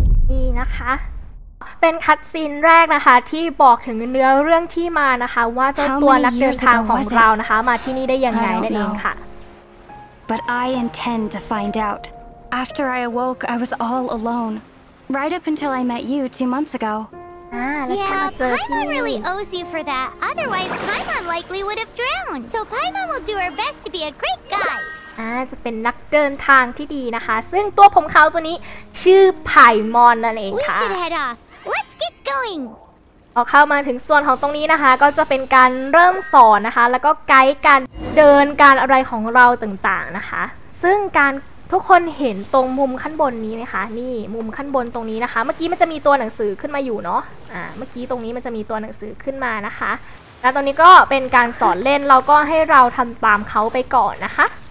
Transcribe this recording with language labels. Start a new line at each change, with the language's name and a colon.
Thai: นี่นะคะเป็นคัตซีนแรกนะคะที่บอกถึงเนื้อเรื่องที่มานะคะว่าเจ้าตัวนักเดินทางของเรานะคะมาที่นี่ได้ยังไงนั่นเองค่ะ
English: But I intend to find out. After I awoke, I was all alone. Right up until I met you 2 months ago. Yeah, Paimon really owes you for that. Otherwise, Paimon likely would have drowned. So Paimon will do her best to be a great guy.
Thai: จะเป็นนักเดินทางที่ดีนะคะซึ่งตัวผมเขาตัวนี้ชื่อ Paimon นั่นเองค่ะ
English: We should head off. Let's get going.
Thai: พอเข้ามาถึงส่วนของตรงนี้นะคะก็จะเป็นการเริ่มสอนนะคะแล้วก็ไกด์การเดินการอะไรของเราต่างๆนะคะซึ่งการทุกคนเห็นตรงมุมขั้นบนนี้ไหมคะนี่มุมขั้นบนตรงนี้นะคะเมื่อกี้มันจะมีตัวหนังสือขึ้นมาอยู่เนาะเมื่อกี้ตรงนี้มันจะมีตัวหนังสือขึ้นมานะคะแล้วตรงนี้ก็เป็นการสอนเล่นเราก็ให้เราทำตามเขาไปก่อนนะคะ